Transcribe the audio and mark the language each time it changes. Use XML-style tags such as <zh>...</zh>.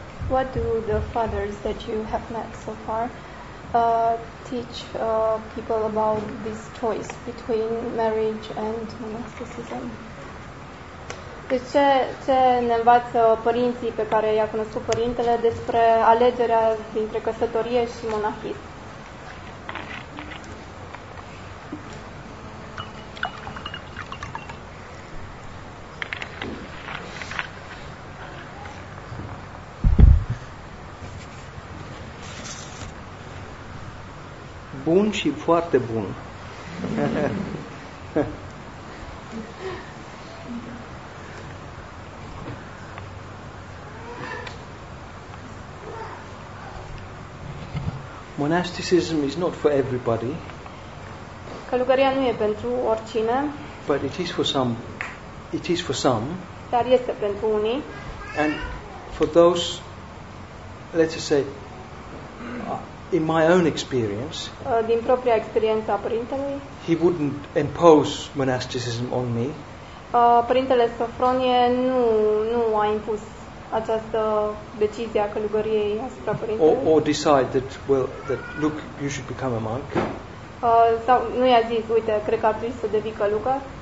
<en>What do the fathers that you have met so far teach people about this choice between marriage and monasticism?</en> <ro>Deci ce ne învață părinții pe care i-a cunoscut părintele despre alegerea dintre căsătorie și monahism? Bun și foarte bun.</ro> <en>monasticism is not for everybody.</en> <ro>Călugăria nu e pentru oricine.</ro> <en>But it is for some. It is for some.</en> <ro>Dar este pentru unii.</ro> <en>And for those, let's just say, in my own experience,</en> <ro>din propria experiență a părintelui,</ro> <en>he wouldn't impose monasticism on me.</en> <ro>Părintele Sofronie nu a impus această decizie a călugăriei asupra părintelui.</ro> <en>Or decide that, well, that look, you should become a monk.</en> <ro>Sau nu i-a zis, uite, cred că ar trebui să devii călugăr.</ro>